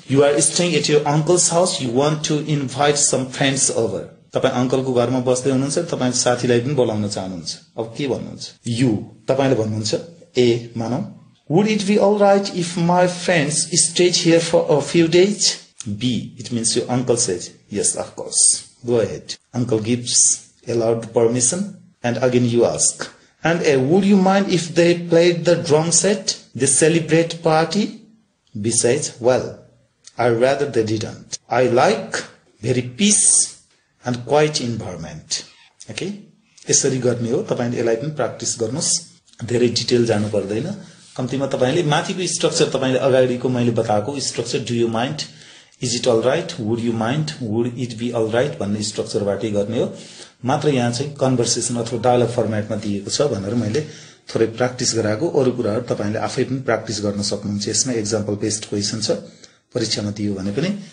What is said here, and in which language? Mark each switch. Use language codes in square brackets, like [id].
[en] you are staying at your uncle's house you want to invite some friends over [ne] तपाईँ अङ्कलको घरमा बस्दै हुनुहुन्छ तपाईँ साथीलाई पनि बोलाउन चाहनुहुन्छ अब के भन्नुहुन्छ यु तपाईँले भन्नुहुन्छ ए मानौ [en] Would it be all right if my friends stays here for a few days B it means your uncle says yes of course go ahead uncle gives aloud permission and again you ask And would you mind if they played the drum set, the celebrate party? Besides, well, I'd rather they didn't. I like very peace and quiet environment. Okay? [ne] यसरी गर्ने हो तपाईँले यसलाई पनि practice गर्नुहोस् धेरै detail जानु पर्दैन कम्तीमा तपाईँले माथिको स्ट्रक्चर तपाईँले अगाडिको मैले बताएको structure [en] do you mind is it all right [ne] would you mind would it B L right भन्ने स्ट्रक्चरबाटै गर्ने हो मात्र यहाँ चाहिँ कन्भर्सेसन अथवा डायलग फर्मेटमा दिएको छ भनेर मैले थोरै प्र्याक्टिस गराएको अरू कुराहरू तपाईँले आफै पनि प्र्याक्टिस गर्न सक्नुहुन्छ यसमा एक्जाम्पल बेस्ड क्वेसन छ परीक्षामा दियो भने पनि